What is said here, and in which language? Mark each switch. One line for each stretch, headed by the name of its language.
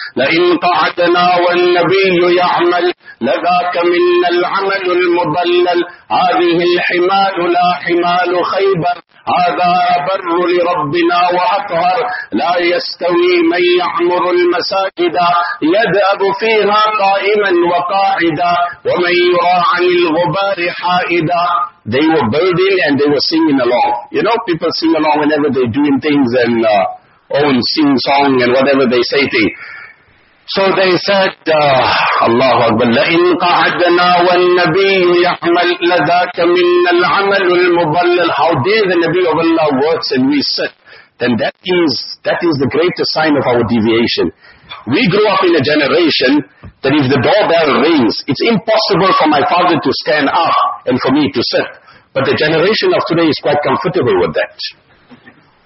Arabic: لَإِنْ قَعَدْنَا وَالنَّبِيُّ يَعْمَلْ لَذَاكَ مِنَّ الْعَمَلُ الْمُضَلَّلْ هَذِهِ الْحِمَالُ لَا حِمَالُ خَيْبَرْ هَذَا بَرُّ لِرَبِّنَا وَأَطْهَرْ لَا يَسْتَوِي مَنْ يَعْمُرُ الْمَسَاجِدَ يَدْأَبُ فِيهَا قَائِمًا وَقَاعِدًا وَمَنْ يُرَى عَنِ الْغُبَارِ حَائِدًا.
English: They were building and they were singing along. You know, people sing along whenever they're doing things and own sing song and whatever they say thing. So they said, Allahu Akbar,
Arabic: لَإِنْ قَعَدْنَا وَالنَّبِيُّ يَحْمَلْ لَذَاكَ مِنَّ الْعَمَلُ الْمُضَلَّلْ.
English: How dare the Nabi of Allah works and we sit? Then that is the greatest sign of our deviation. We grew up in a generation that if the doorbell rings, it's impossible for my father to stand up and for me to sit. But the generation of today is quite comfortable with that.